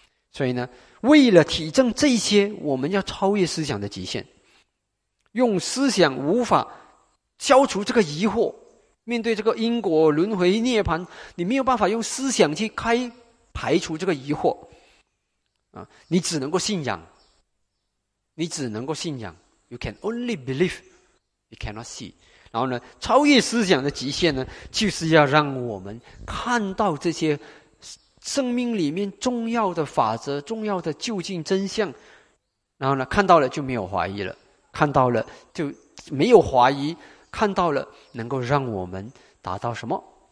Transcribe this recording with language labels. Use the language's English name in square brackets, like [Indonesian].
[Chinese] 所以呢，为了体证这些，我们要超越思想的极限，用思想无法消除这个疑惑。面对这个因果轮回涅槃，你没有办法用思想去开排除这个疑惑啊，你只能够信仰，你只能够信仰。 [English] You can only believe, you cannot see. [Chinese] 然后呢，超越思想的极限呢，就是要让我们看到这些生命里面重要的法则、重要的究竟真相。然后呢，看到了就没有怀疑了，看到了就没有怀疑，看到了能够让我们达到什么？